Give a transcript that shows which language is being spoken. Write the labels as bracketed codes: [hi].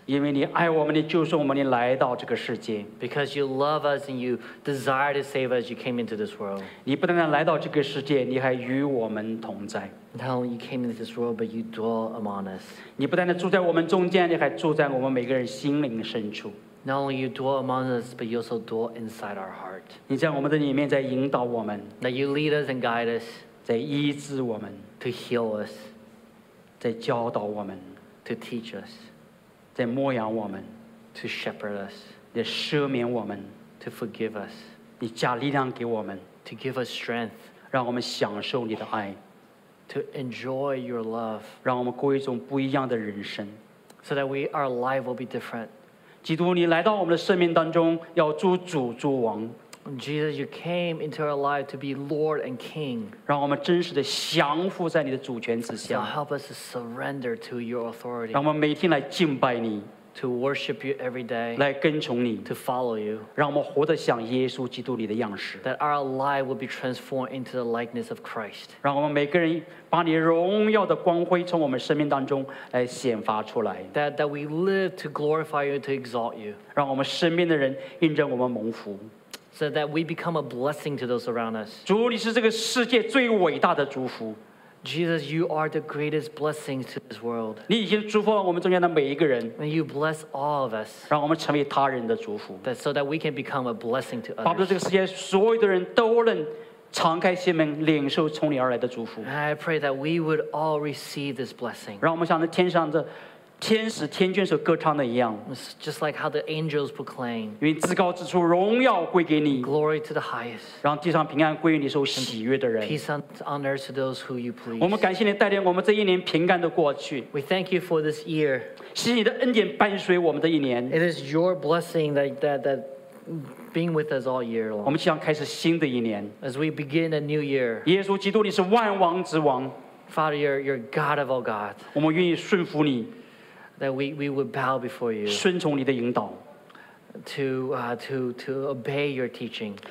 [zh] 因为你爱我们，你救赎我们，你来到这个世界。 [en] Because you love us and you desire to save us, you came into this world. [zh] 你不但来到这个世界，你还与我们同在。 [en] Not only you came into this world, but you dwell among us. [zh] 你不但住在我们中间，你还住在我们每个人心灵深处。 [en] Not only you dwell among us, but you also dwell inside our heart. [zh] 你在我们的里面在引导我们。 [en] That you lead us and guide us. [zh] 在医治我们。 [en] To heal us. [zh] 在教导我们。 [en] To teach us. [zh] 在牧养我们。 [en] To shepherd us. [zh] 在赦免我们。 [en] To forgive us. [zh] 你加力量给我们。 [en] To give us strength. [zh] 让我们享受你的爱。 [en] To enjoy your love. [zh] 让我们过一种不一样的人生。 [en] So that our life will be different. [zh] 基督，你来到我们的生命当中，要做主、做王。 [en] Jesus, you came into our life to be Lord and King. [zh] 让我们真实的降服在你的主权之下。 [en] Help us to surrender to your authority. [zh] 让我们每天来敬拜你。 [en] To worship you every day. [zh] 来跟从你。 [en] To follow you. [zh] 让我们活得像耶稣基督你的样式。 [en] That our life will be transformed into the likeness of Christ. [zh] 让我们每个人把你荣耀的光辉从我们生命当中来显发出来。 [en] That we live to glorify you, to exalt you. [zh] 让我们身边的人因着我们蒙福。 [en] So that we become a blessing to those around us. [zh] 主，你是这个世界最伟大的祝福。 [en] Jesus, you are the greatest blessing to this world. [zh] 你已经祝福了我们中间的每一个人。 [en] And you bless all of us. [zh] 让我们成为他人的祝福。 [en] So that we can become a blessing to others. [zh] 巴不得这个世界所有的人都能敞开心门，领受从你而来的祝福。 [en] I pray that we would all receive this blessing. [zh] 让我们像那天上的天使天君所歌唱的一样。 [en] Just like how the angels proclaim. [zh] 因为至高之处荣耀归给你。 [en] Glory to the highest. [zh] 让地上平安归于你所喜悦的人。 [en] Peace on earth to those who you please. [zh] 我们感谢你带领我们这一年平安的过去。 [en] We thank you for this year. [zh] 是你的恩典伴随我们这一年。 [en] It is your blessing that being with us all year long. [zh] 我们即将开始新的一年。 [en] As we begin a new year. [zh] 耶稣基督，你是万王之王。 [en] Father, you're God of all God. [zh] 我们愿意顺服你。 [en] That we would bow before you. [zh] 顺从你的引导。 [en] To obey your teaching.